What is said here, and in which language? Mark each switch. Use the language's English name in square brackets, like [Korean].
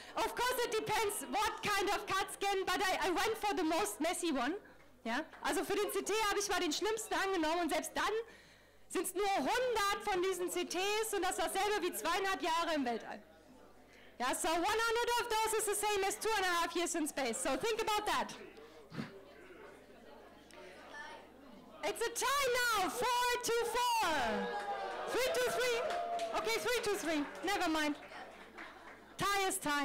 [English] Of course, it depends what kind of CAT scan, but I went for the most messy one. [German] Ja, also für den CT habe ich mal den schlimmsten angenommen und selbst dann sind es nur 100 von diesen CTs und das dasselbe wie 2.5 Jahre im Weltall. [English] Ja, so 100 of those is the same as 2.5 years in space. So think about that. It's a tie now, 4-4. 3-3. Okay, 3-3. Never mind. Tie is tie.